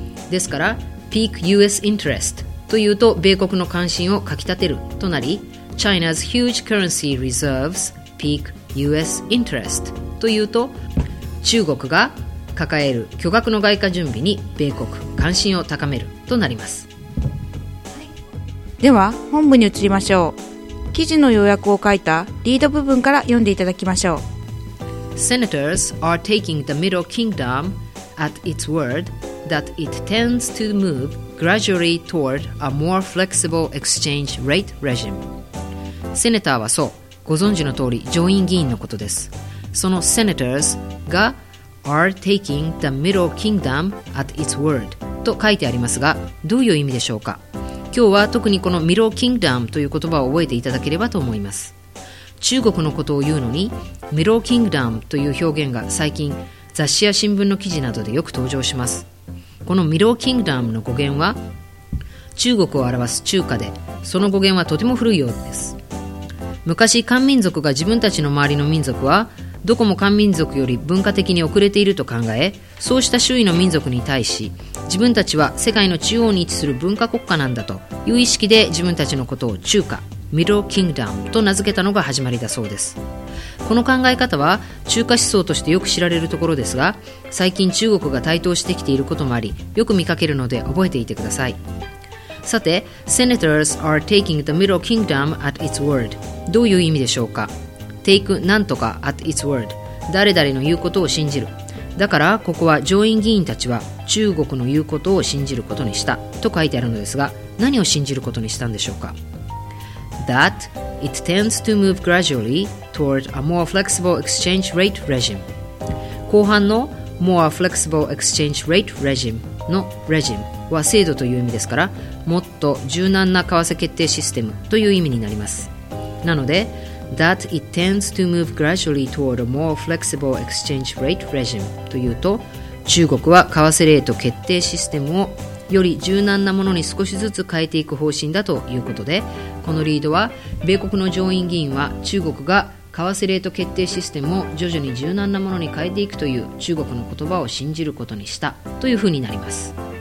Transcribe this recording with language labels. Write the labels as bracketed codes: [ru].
[ja] ですから [en] Peak US Interest [ja] というと米国の関心をかきたてるとなり、 [en] China's Huge Currency Reserves Peak US Interest [ja] というと中国が抱える巨額の外貨準備に米国関心を高めるとなります。では本文に移りましょう。記事の要約を書いたリード部分から読んでいただきましょう。 [en] Senators are taking the Middle Kingdom at its wordthat it tends to move gradually toward a more flexible exchange rate regime。 [ja] セネターはそう、ご存知の通り上院議員のことです。その [en] senators [ja] が [en] are taking the middle kingdom at its word [ja] と書いてありますが、どういう意味でしょうか。今日は特にこの middle kingdom という言葉を覚えていただければと思います。中国のことを言うのに middle kingdom という表現が最近雑誌や新聞の記事などでよく登場します。このミドルキングダムの語源は中国を表す中華で、その語源はとても古いようです。昔漢民族が自分たちの周りの民族はどこも漢民族より文化的に遅れていると考え、そうした周囲の民族に対し自分たちは世界の中央に位置する文化国家なんだという意識で自分たちのことを中華、ミドルキングダムと名付けたのが始まりだそうです。この考え方は中華思想としてよく知られるところですが、最近中国が台頭してきていることもありよく見かけるので覚えていてください。さて [en] Senators are taking the middle kingdom at its word、 [ja] どういう意味でしょうか。 [en] take [ja] 何とか [en] at its word、 [ja] 誰々の言うことを信じる。だからここは上院議員たちは中国の言うことを信じることにしたと書いてあるのですが、何を信じることにしたんでしょうか。 [en] That it tends to move gradually toward a more flexible exchange rate regime。 [ja] 後半の [en] more flexible exchange rate regime [ja] の regime は制度という意味ですから、もっと柔軟な為替決定システムという意味になります。なので [en] That it tends to move gradually toward a more flexible exchange rate regime [ja] というと、中国は為替レート決定システムをより柔軟なものに少しずつ変えていく方針だということで、このリードは米国の上院議員は中国が為替レート決定システムを徐々に柔軟なものに変えていくという中国の言葉を信じることにしたというふうになります。